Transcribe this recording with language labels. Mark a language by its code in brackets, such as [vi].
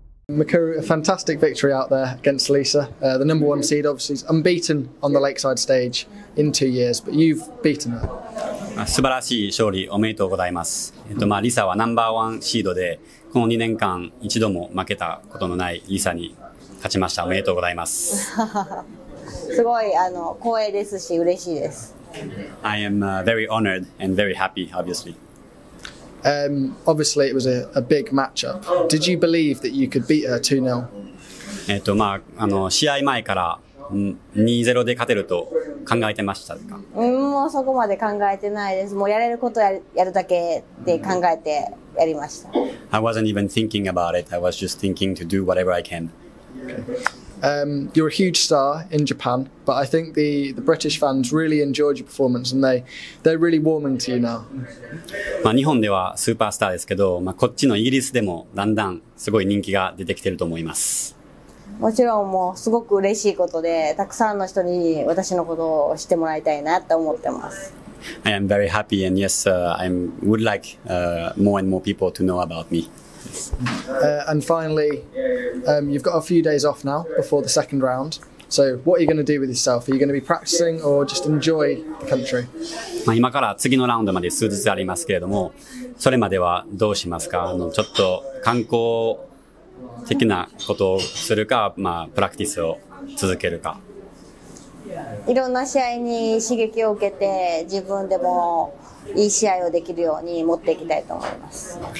[en] Mikuru, a fantastic victory out there against Lisa. The number one seed, obviously, is unbeaten on the Lakeside stage in 2 years, but you've beaten her. [ja] 素晴らしい勝利おめでとうございます。まあ、リサはナンバーワンシードで、この2年間一度も負けたことのないリサに勝ちました。おめでとうございます。すごい光栄ですし、嬉しいです。 [en] I am very honored and very happy, obviously. Obviously, it was a big matchup. Did you believe that you could beat her 2-0? [ja] まあ、試合前から2-0で勝てると考えてましたか？もうそこまで考えてないです。もうやれることやるだけって考えてやりました。 [en] I wasn't even thinking about it. I was just thinking to do whatever I can. You're a huge star in Japan, but I think the British fans really enjoyed your performance and they're really warming to you now. [ja] まあ日本ではスーパースターですけど、まあこっちのイギリスでもだんだんすごい人気が出てきてると思います。もちろんもうすごく嬉しいことで、たくさんの人に私のことを知ってもらいたいなと思ってます。 [en] I am very happy and yes, I would like more and more people to know about me. And finally, you've got a few days off now before the second round. So what are you going to do with yourself? Are you going to be practicing or just enjoy the country? [ja] 今から次のラウンドまで数日ありますけれども、それまではどうしますか？ちょっと観光的なことをするか、まあ、プラクティスを続けるか。いろんな試合に刺激を受けて、自分でもいい試合をできるように持っていきたいと思います。